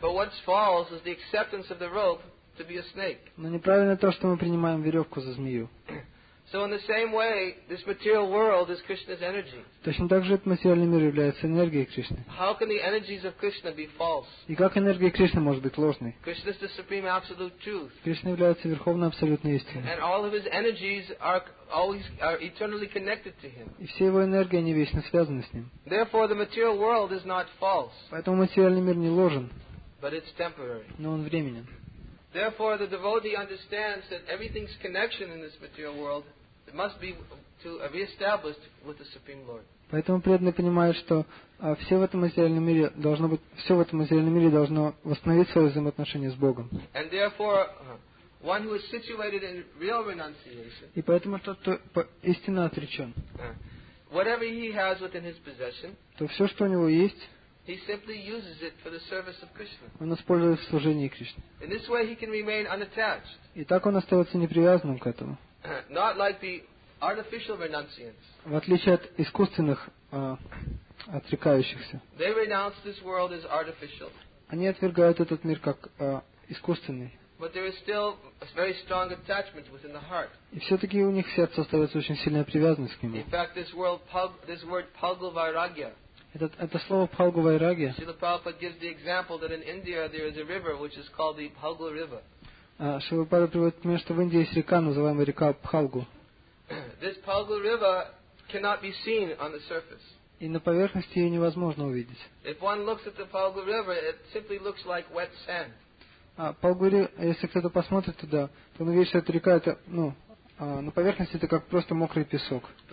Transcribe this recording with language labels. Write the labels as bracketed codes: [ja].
[en] But what's false is the acceptance of the rope to be a snake. [ru] Но неправильно то, что мы принимаем веревку за змею. [en] So in the same way, this material world is Krishna's energy. [ru] Точно так же этот материальный мир является энергией Кришны. [en] How can the energies of Krishna be false? [ru] И как энергия Кришны может быть ложной? [en] Krishna is the supreme absolute truth. [ru] Кришна является верховной абсолютной истиной. [en] And all of his energies are eternally connected to him. [ru] И все его энергии они вечно связаны с ним. [en] Therefore, the material world is not false. [ru] Поэтому материальный мир не ложен. [en] But it's temporary. [ru] Но он временен. [en] Therefore, the devotee understands that everything's connection in this material world must be to reestablished with the Supreme Lord. [ru] Поэтому преданный понимает, что все в этом материальном мире должно быть, все в этом материальном мире должно восстановить свое взаимоотношение с Богом. [en] And therefore, one who is situated in real renunciation. [ru] И поэтому тот, кто истинно отречен. [en] Whatever he has within his possession. [ru] То все, что у него есть. [en] He simply uses it for the service of Krishna. [ru] Он использует в служении Кришне. [en] In this way, he can remain unattached. [ru] И так он остается непривязанным к этому. [en] Not like the artificial renunciants. [ru] В отличие от искусственных отрекающихся. [en] They renounce this world as artificial. [ru] Они отвергают этот мир как искусственный. [en] But there is still a very strong attachment within the heart. [ru] И все-таки у них в сердце остается очень сильная привязанность к нему. [en] In fact, this word Pagalvairagya. [ru] Это слово Phalgu Vairagya. [en] Srila Prabhupada gives the example that in India there is a river which is called the Phalgu River. [ru] Srila Prabhupada приводит пример, что в Индии есть река, называемая река Phalgu. [en] This Phalgu River cannot be seen on the surface. [ru] И на поверхности ее невозможно увидеть. [en] If one looks at the Phalgu River, it simply looks like wet sand. [ru] Если кто-то посмотрит туда, то он увидит, что эта река это, ну, на поверхности это как просто мокрый песок.